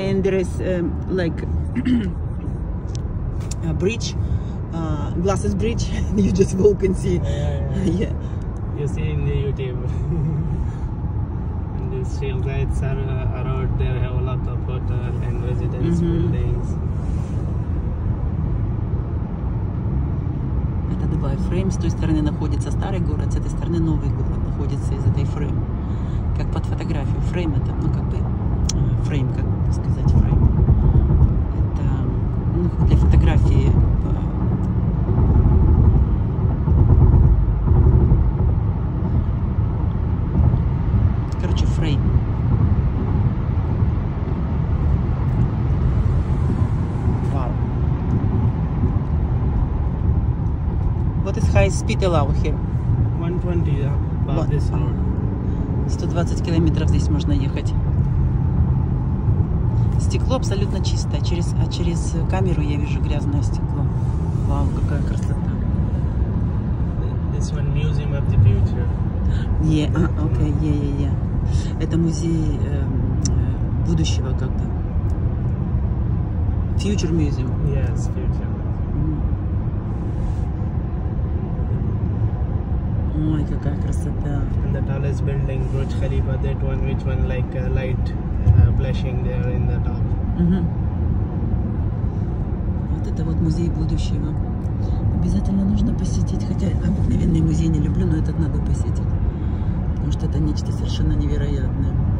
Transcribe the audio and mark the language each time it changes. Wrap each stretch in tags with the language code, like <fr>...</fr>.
<en>And there is like a bridge, glasses bridge. You just walk and see. Yeah. You see in the YouTube. And these shale guides are around. There have a lot of hotel and residence buildings.</en> <ru>Фрейм с той стороны находится старый город, с этой стороны новый город находится из этой фрейм. Как под фотографию. Фрейм это, ну как бы, фрейм, как бы сказать, фрейм. Это, ну, для фотографии. Короче, фрейм.</ru> <en>High speed allowed here? 120, yeah, above this road.</en> <ru>120 километров здесь можно ехать. Стекло абсолютно чистое, через камеру я вижу грязное стекло. Вау, какая красота.</ru> <en>This one, Museum of the Future. Yeah, okay, yeah.</en> <ru>Это музей будущего, как бы.</ru> <en>Future Museum. Yes, Future. Ой, какая красота. And the tallest building, Burj Khalifa, that one, which one, like, light flashing there in the top.</en> <ru>Вот это вот музей будущего. Обязательно нужно посетить, хотя обыкновенный музей не люблю, но этот надо посетить. Потому что это нечто совершенно невероятное.</ru>